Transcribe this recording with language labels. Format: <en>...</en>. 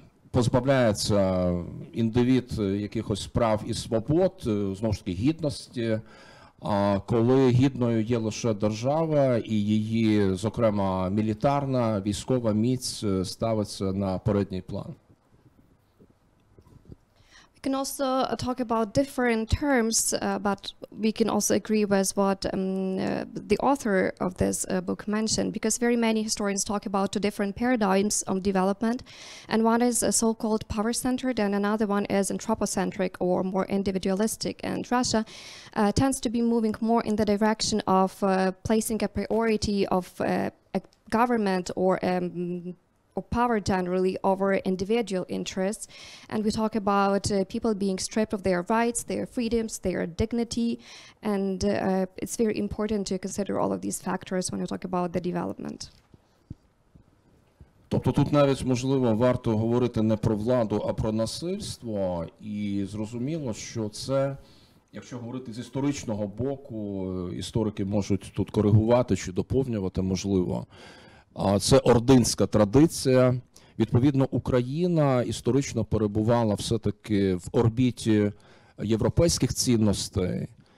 <uk>позбавляється індивід якихось прав і свобод, знову ж таки, гідності, коли гідною є лише держава і її, зокрема, мілітарна, військова міць ставиться на передній план.</uk> <en>We can also talk about different terms, but we can also agree with what the author of this book mentioned, because very many historians talk about two different paradigms of development, and one is so-called power-centered and another one is anthropocentric or more individualistic, and Russia tends to be moving more in the direction of placing a priority of a government or power generally over individual interests. And we talk about people being stripped of their rights, their freedoms, their dignity. And it's very important to consider all of these factors when you talk about the development.</en> <uk>Тобто тут навіть, можливо, варто говорити не про владу, а про насильство. І зрозуміло, що це, якщо говорити з історичного боку, історики можуть тут коригувати чи доповнювати, можливо. Це ординська традиція. Відповідно, Україна історично перебувала все-таки в орбіті європейських цінностей.</uk>